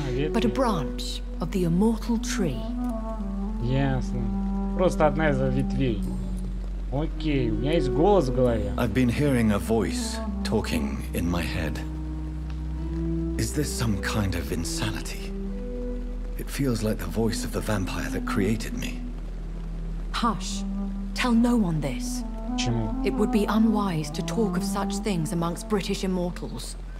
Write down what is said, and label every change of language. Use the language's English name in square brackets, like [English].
[English] But a branch of the immortal tree. [Russian] Ясно. Просто одна из ветвей. Окей, у меня есть голос в голове. [English] I've been hearing a voice talking in my head. Is this some kind of insanity? It feels like the voice of the vampire that created me. Hush. Tell no one this. [Russian] Почему? [English] It would be unwise to talk of such things amongst British immortals.